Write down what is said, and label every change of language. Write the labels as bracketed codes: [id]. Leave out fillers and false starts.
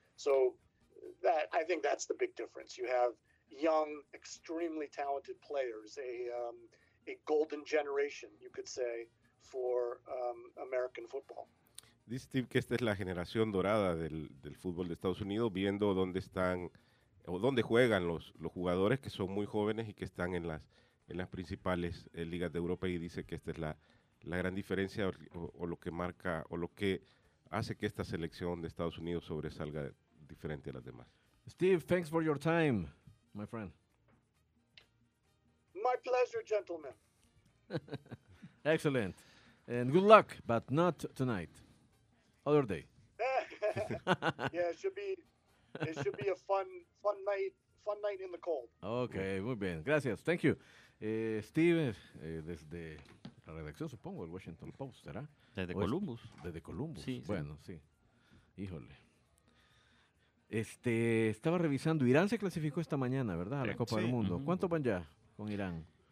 [en] So that, I think that's the big difference. You have young, extremely talented players, a golden generation, you could say, for American football. [es] Dice Steve que esta es la generación dorada del fútbol de Estados Unidos, viendo dónde están o dónde juegan los jugadores que son muy jóvenes y que están en las principales ligas de Europa, y dice que esta es la gran diferencia o lo que marca o lo que hace que esta selección de Estados Unidos sobresalga diferente a las demás. [en] Steve, thanks for your time, my friend. My pleasure, gentlemen. Excellent. And good luck, but not tonight. Other day. Yeah, it should be a fun night in the cold. [es] Okay, muy bien. Gracias. [en] Thank you. [es] Steve, desde la redacción, supongo, el Washington Post, ¿será? Desde Columbus. Sí. Bueno, sí. Híjole. Estaba revisando. Irán se clasificó esta mañana, ¿verdad? A la Copa del Mundo. ¿Cuántos van ya con Irán?